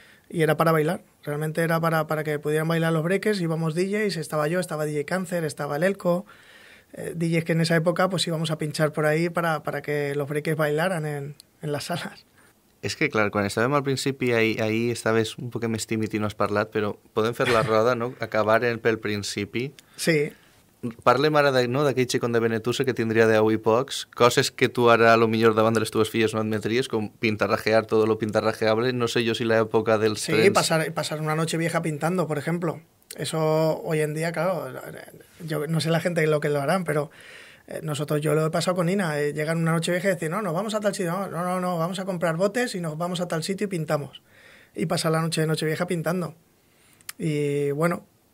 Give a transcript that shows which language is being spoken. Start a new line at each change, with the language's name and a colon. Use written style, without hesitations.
Spanish: Y era para bailar, realmente era para que pudieran bailar los breakers, íbamos DJs, estaba yo, estaba DJ Cáncer, estaba el Elco, DJs que en esa época pues íbamos a pinchar por ahí para que los breakers bailaran en las salas. Es que claro, cuando estábamos al principio ahí estabas un poco más tímido y no has hablado, pero podemos hacer la roda, ¿no?
Catalan: Acabar pel principi. Sí. Parlem ara d'aquell xicón de Benetusa que tindria 10 i pocs, coses que tu ara a lo millor davant de les teves filles no admetries, com
Spanish: pintarrajear todo lo pintarrajeable,
Catalan: no sé jo si l'època dels trens...
Spanish: Sí, pasar una noche vieja pintando, por ejemplo. Eso hoy en día, claro, yo no sé la gente lo que lo harán, pero nosotros, yo lo he pasado con Ina, llegan una noche vieja y decir, no, nos vamos a tal sitio, no, vamos a comprar botes y nos vamos a tal sitio y pintamos. Y pasar la noche de noche vieja pintando. Y bueno...